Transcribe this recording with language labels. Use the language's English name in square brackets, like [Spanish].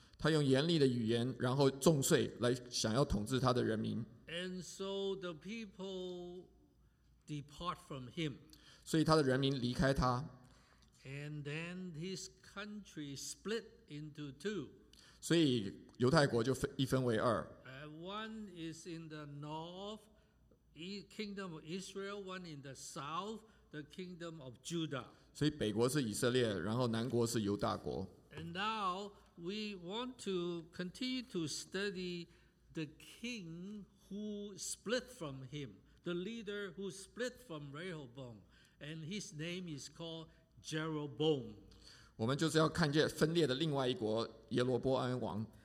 [Chinese] 他用严厉的语言，然后重税来想要统治他的人民。 [English] And so the people depart from him. [Chinese] 所以他的人民离开他。 [English] And then his country split into two. [Chinese] 所以犹太国就一分为二。 [English] One is in the north, kingdom of Israel. One in the south, the kingdom of Judah. [Chinese] 所以北国是以色列，然后南国是犹大国。 [English] And now we want to continue to study the king who split from him, the leader who split from Rehoboam, and his name is called. Jeroboam. [Chinese] 我们就是要看见分裂的另外一国耶罗波安王。